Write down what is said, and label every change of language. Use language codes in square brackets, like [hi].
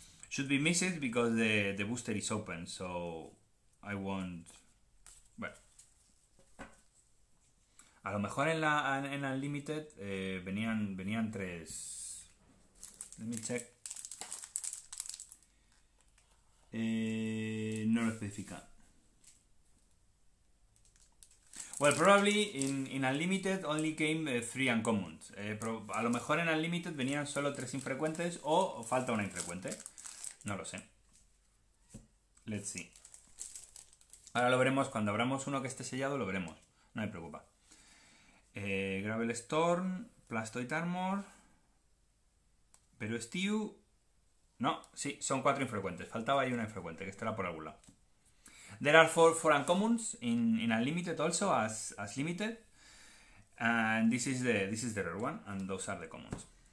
[en] Should be missed because the booster is open, so I won't. [es] Bueno. A lo mejor en la en Unlimited venían 3. [en] Let me check. [es] No lo especifica. [en] Well, probably in Unlimited only came 3 uncommons. [es] A lo mejor en Unlimited venían solo 3 infrecuentes o falta una infrecuente. No lo sé. [en] Let's see. [es] Ahora lo veremos. Cuando abramos uno que esté sellado, lo veremos. No me preocupa. Gravel Storm, Plastoid Armor, Verusteel. No, sí, son 4 infrecuentes. Faltaba ahí una infrecuente, que estará por algún lado. [en] There are 4 uncommons in Unlimited also, as Limited. And this is the rare one, and those are the commons.